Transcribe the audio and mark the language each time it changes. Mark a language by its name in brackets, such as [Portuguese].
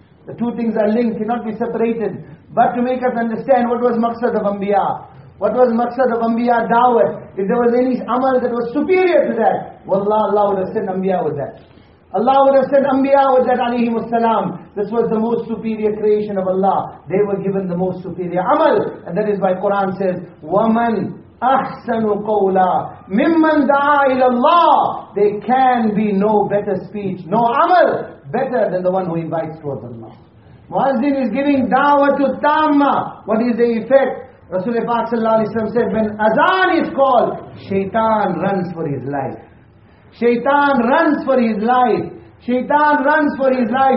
[English] The two things are linked, cannot be separated. But to make us understand what was maqsad of Anbiya. What was maqsad of Anbiya? Da'wat. If there was any amal that was superior to that, wallah, Allah would have sent Anbiya with that. Allah would have sent Anbiya with that, alayhi wasalam. This was the most superior creation of Allah. They were given the most superior amal. And that is why Quran says, [Arabic] وَمَنْ أَحْسَنُ قَوْلًا مِمَّنْ دَعَى إِلَى اللَّهِ. [English] There can be no better speech, no amal, better than the one who invites towards Allah. Muazzin is giving da'watu tamma. What is the effect? Rasulullah Pak sallallahu alayhi wa sallam said, when Adhan is called, Shaitan runs for his life. Shaitan runs for his life. Shaitan runs for his life.